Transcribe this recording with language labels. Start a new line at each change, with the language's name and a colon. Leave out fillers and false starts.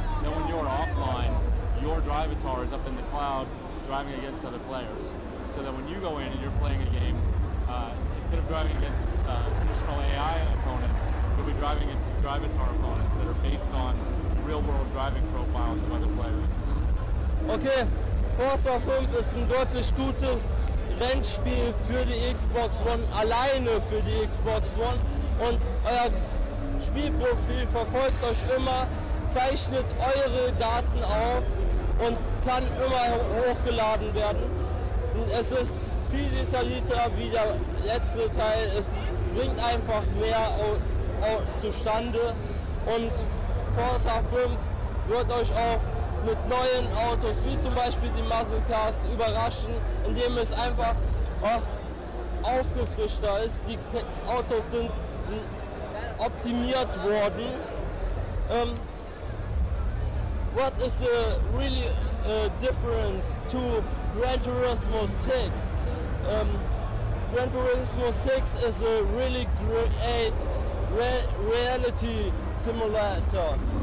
English: Then when you're offline, your drivatar is up in the cloud driving against other players. So that when you go in and you're playing a game, instead of driving against traditional AI opponents, you'll be driving against drivatar opponents that are based on real-world driving profiles of other players.
German: Okay, Forza 5
English: is a
German: wirklich gutes Rennspiel für die Xbox One, alleine für die Xbox One. Und euer Spielprofil verfolgt euch immer, zeichnet eure Daten auf und kann immer hochgeladen werden. Und es ist viel detaillierter wie der letzte Teil. Es bringt einfach mehr zustande. Und Forza 5 wird euch auch mit neuen Autos, wie zum Beispiel die Muscle Cars, überraschen, indem es einfach auch aufgefrischter ist. Die Autos sind optimiert worden.
English: What is the really difference to Gran Turismo 6? Gran Turismo 6 is a really great reality simulator.